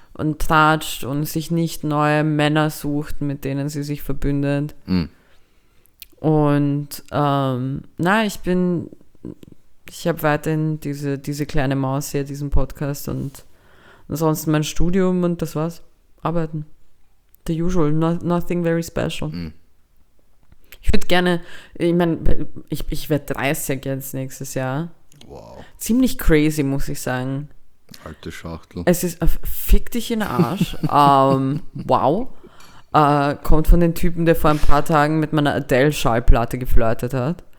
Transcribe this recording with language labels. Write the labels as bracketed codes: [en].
[de] Und tratscht und sich nicht neue Männer sucht, mit denen sie sich verbündet. Mm. Und ich habe weiterhin diese kleine Maus hier, diesen Podcast und ansonsten mein Studium und das war's. Arbeiten. [en] The usual, nothing very special. Mm. [de] Ich würde gerne, ich werde 30 jetzt nächstes Jahr. Wow. Ziemlich crazy, muss ich sagen. Alte Schachtel. Es ist, fick dich in den Arsch. wow. Kommt von den Typen, der vor ein paar Tagen mit meiner Adele-Schallplatte geflirtet hat.